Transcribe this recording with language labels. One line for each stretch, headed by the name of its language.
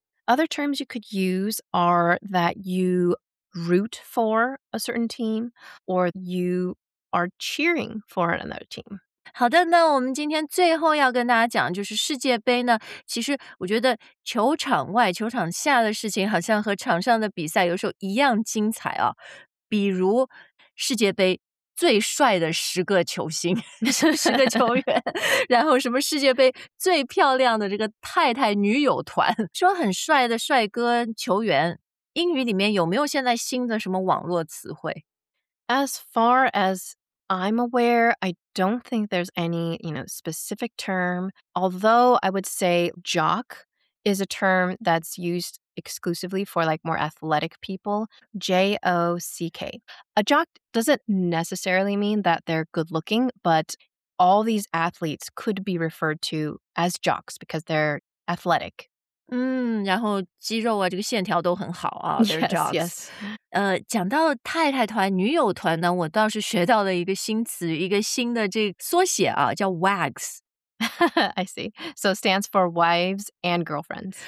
English: Other terms you could use are that you root for a certain team, or you are cheering for another team.
Chinese: 好的那我们今天最后要跟大家讲就是世界杯呢其实我觉得球场外球场下的事情好像和场上的比赛有时候一样精彩啊比如世界杯最帅的十个球星十个球员然后什么世界杯最漂亮的这个太太女友团说很帅的帅哥球员英语里面有没有现在新的什么网络词汇
English: As far asI'm aware, I don't think there's any, you know, specific term, although I would say jock is a term that's used exclusively for like more athletic people, J-O-C-K. A jock doesn't necessarily mean that they're good looking, but all these athletes could be referred to as jocks because they're athletic.
Chinese: 然后肌肉啊这个线条都很好啊
English: Yes, yes.
Chinese: 讲到太太团女友团呢我倒是学到了一个新词一个新的这个缩写啊叫 WAGS.
English: I see. So stands for wives and girlfriends.